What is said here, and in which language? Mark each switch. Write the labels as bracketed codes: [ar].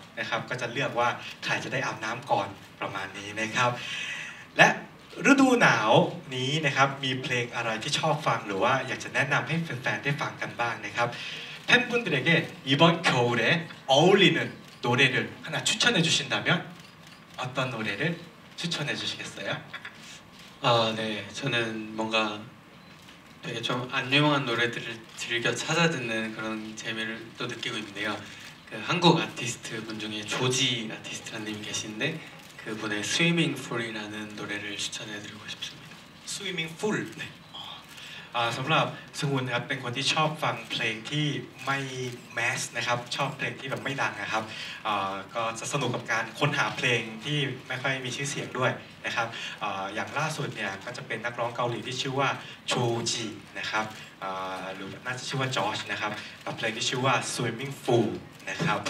[th] ะครับก็จะเลือกว่าใครจะได้อาบน้ำก่อนประมาณนี้นะครับและฤดูหนาวนี้นะครับมีเพลงอะไรที่ชอบฟังหรือว่าอยากจะแนะนำให้แฟนๆได้ฟังกันบ้างนะครับเพนบุนเดเก้ [ko] 이번겨울에어울리는노래를하나추천해주신다면어떤노래를추천해주시겠어요 아네저는뭔가되게좀안유명한노래들을즐겨찾아듣는그런재미를또느끼고있는데요그한국아티스트분중에조지아티스트라는분이계신데그분의 Swimming Pool 이라는노래를추천해드리고싶습니다 [en] Swimming Pool [ko] 네 [th] 아สำหรับซงวุนนะครับเป็นคนที่ชอบฟังเพลงที่ไม่แมสนะครับชอบเพลงที่แบบไม่ดังนะครับก็จะสนุกกับการค้นหาเพลงที่ไม่ค่อยมีชื่อเสียงด้วยนะครับอย่างล่าสุดเนี่ยก็จะเป็นนักร้องเกาหลีที่ชื่อว่าโชจีนะครับหรือน่าจะชื่อว่าจอชนะครับกับเพลงที่ชื่อว่า Swimming Pool นะครับ